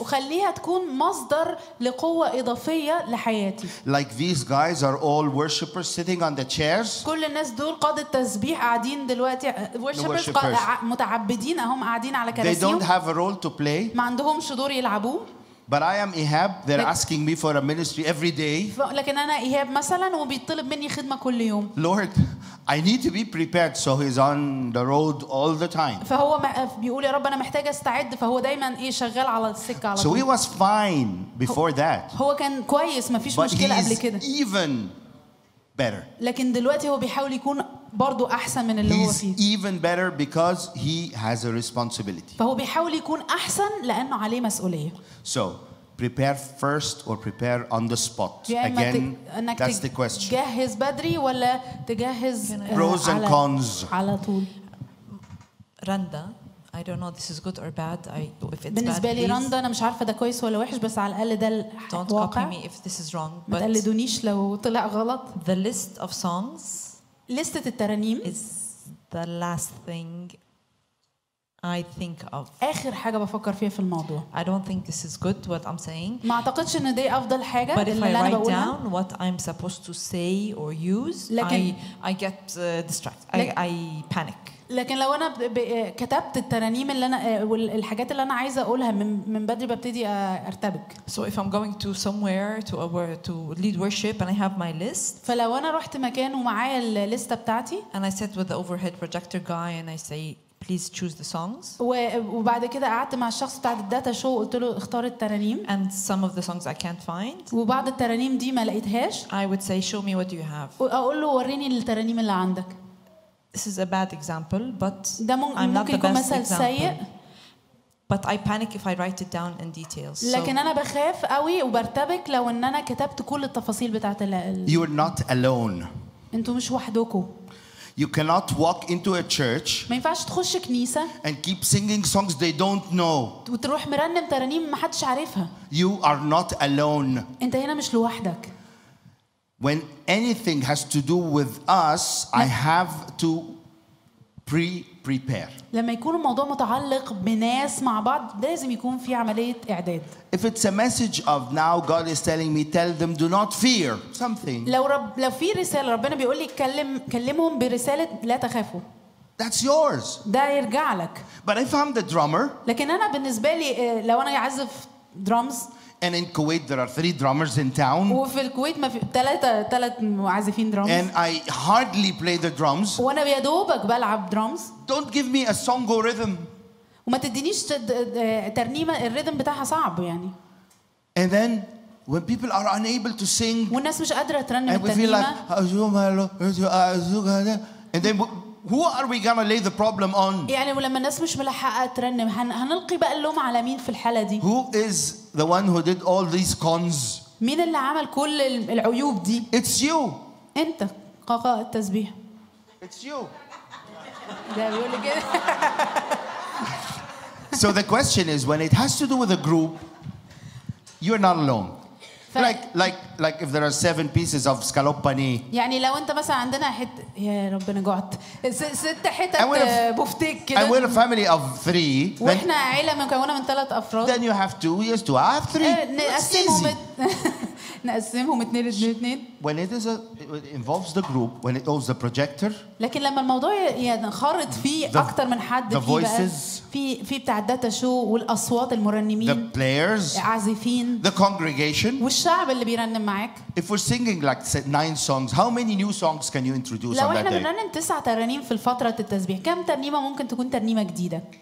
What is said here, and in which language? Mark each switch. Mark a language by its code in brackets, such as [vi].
[ar] وخليها تكون مصدر لقوة إضافية لحياتي. [en] Like these guys are all worshippers sitting on the chairs. [ar] كل الناس دول قادة تسبيح قاعدين دلوقتي worshippers متعبدين هم قاعدين على كراسيهم. [en] They don't have a role to play. [ar] ما عندهمش دور يلعبوا. [en] But I am Ahab. They're asking me for a ministry every day. [ar] لكن أنا إيهاب مثلاً وبيطلب مني خدمة كل يوم. [en] Lord, I need to be prepared, so he's on the road all the time. [ar] فهو بيقول يا رب أنا محتاج استعد فهو دائماً إيه شغال على السكة. [en] So he was fine before that. [ar] هو كان كويس ما فيش مشكلة قبل كده. [en] But he's even better. [ar] لكن دلوقتي هو بيحاول يكون برضو أحسن من اللي [en] he's [ar] هو فيه. [en] He's even better because he has a responsibility. [ar] فهو بيحاول يكون أحسن لأنه عليه مسؤولية. [en] So prepare first or prepare on the spot. Again, that's the question. [ar] جهز بدري ولا تجهز [en] pros and cons. [ar] على طول. [en] Randa, I don't know this is good or bad. If it's [ar] بالنسبة [en] bad, [ar] لي رندا أنا مش عارفة ده كويس ولا وحش بس على الأقل ده الواقع. [en] Don't copy me if this is wrong. [ar] ما تقلدونيش لو طلع غلط. [en] The list of songs. [ar] لستة الترانيم [en] is the last thing I think of. [ar] آخر حاجة بفكر فيها في الموضوع. [en] I don't think this is good what I'm saying. [ar] ما أعتقدش إن دي أفضل حاجة. [en] But if I write down what I'm supposed to say or use, I get distracted. I panic. [ar] لكن لو أنا كتبت الترانيم اللي أنا والحاجات اللي أنا عايزة أقولها من بدري ببتدي أرتبك. [en] So if I'm going to somewhere to lead worship and I have my list. [ar] فلو أنا رحت مكان ومعايا الليستة بتاعتي. [en] And I sit with the overhead projector guy and I say, please choose the songs. [ar] وبعد كده قعدت مع الشخص بتاع الداتا شو قلت له اختار الترانيم. [en] And some of the songs I can't find. [ar] وبعض الترانيم دي ما لقيتهاش. [en] I would say, show me what you have. [ar] وأقول له وريني الترانيم اللي عندك. [en] This is a bad example, but I'm not the best example. [ar] سيء. [en] But I panic if I write it down in details. [ar] لكن أنا بخاف قوي وبرتبك لو إن أنا كتبت كل التفاصيل بتاعت [en] You are not alone. [ar] انتوا مش وحدكم. [en] You cannot walk into a church. [ar] ما ينفعش تخش كنيسة. [en] And keep singing songs they don't know. [ar] وتروح مرنم ترانيم ما حدش عارفها. [en] You are not alone. [ar] انت هنا مش لوحدك. [en] When anything has to do with us, I have to prepare. [ar] لما يكون الموضوع متعلق بناس مع بعض لازم يكون في عملية إعداد. [en] If it's a message of now God is telling me, tell them do not fear something. [ar] لو في رسالة ربنا بيقول لي كلمهم برسالة لا تخافوا. [en] That's yours. [ar] ده يرجع لك. [en] But if I'm the drummer. [ar] لكن أنا بالنسبة لي لو أنا أعزف drums. [en] And in Kuwait, there are 3 drummers in town. [ar] وفي الكويت ما في ثلاثة معزفين درامز. [en] And I hardly play the drums. [ar] وأنا بيدوبك بلعب درامز. [en] Don't give me a song or rhythm. [ar] وما تدينيش ترنيمة الريتم بتاعها صعب يعني. [en] And then When people are unable to sing, [ar] والناس مش قادرة ترنم [en] and we feel like, and then who are we gonna lay the problem on? [ar] يعني ولما الناس مش ملحقة ترنم هنلقي بقى اللوم على مين في الحالة دي؟ [en] Who is the one who did all these cons? [ar] مين اللي عمل كل العيوب دي؟ [en] It's you. [ar] أنت قاقاء التسبيح. [en] It's you. [ar] ده بيقول كده. [en] So the question is, when it has to do with a group, you're not alone. Like if there are seven pieces of scaloppani. [ar] يعني لو أنت مثلا عندنا حت يا ربنا جوعت ست حتة بوفتيك. [en] And we're a family of three. [ar] وإحنا عيلة مكونة من ثلاث أفراد. [en] Then you have two. Yes, two. I have three. [ar] نقسمهم نقسمهم اثنين اثنين اثنين. [en] When it is it involves the group, when it involves the projector. [ar] لكن لما الموضوع ينخرط فيه أكتر من حد [en] في. The voices. [ar] في بتاع الداتا شو والأصوات المرنمين. [en] The players. [ar] عازفين. [en] The congregation. [ar] الشعب اللي بيرنم معك. [en] If we're singing like nine songs, how many new songs can you introduce on that day? [ar] لو احنا بنرنم تسع ترانيم في الفترة التسبيح كم ترنيمة ممكن تكون ترنيمة جديدة؟